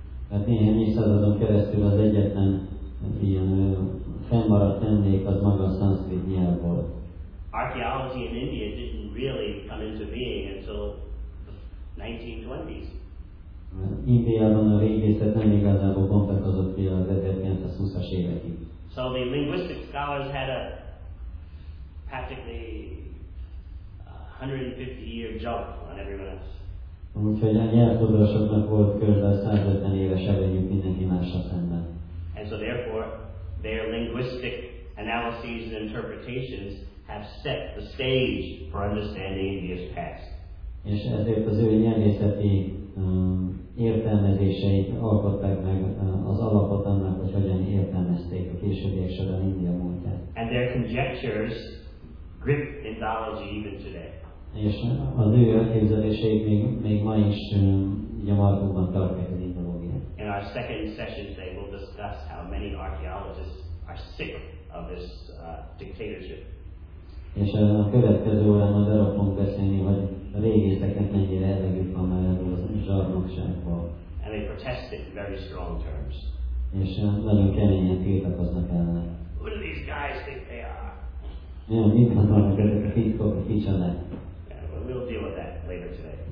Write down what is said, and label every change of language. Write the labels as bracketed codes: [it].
[hu] Mert néhány évszázadon keresztül az egyetlen ilyen fennmaradt emlék az maga a szanszkrit nyelv volt. [en] Archaeology in India didn't really come into being until the 1920s. [hu] Indiában a régészet nem igazából bontakozott ki az 1920-as évekig. [en] So the linguistic scholars had a practically 150-year jump on everyone else. [hu] Úgyhogy a nyelvtudósoknak volt körülbelül 150 éves előnyük mindenki másra szemben. [en] And so therefore, their linguistic analyses and interpretations have set the stage for understanding India's past. [hu] És ezért az ő nyelvészeti értelmezéseit alkották meg az alapot annak, hogy hogyan értelmezték a későbbiek során India múltját. [en] And their conjectures grip Indology even today. [hu] És az ő elképzeléseik még ma is nyomatóban tartják az Indológiát. [en] In our second session today, we'll discuss how many archaeologists are sick of this dictatorship. [hu] És a következő órában arról fogunk beszélni, hogy a régészeknek mennyire elegük van már ebből a zsarnokságból. [en] And they protest in very strong terms. [hu] És nagyon keményen tiltakoznak ellene. [en] Who do these guys think they are? [hu] Ja, mit gondolnak ezek a titkok, hogy kicsodák? [en] Yeah, well, we'll deal with that later today.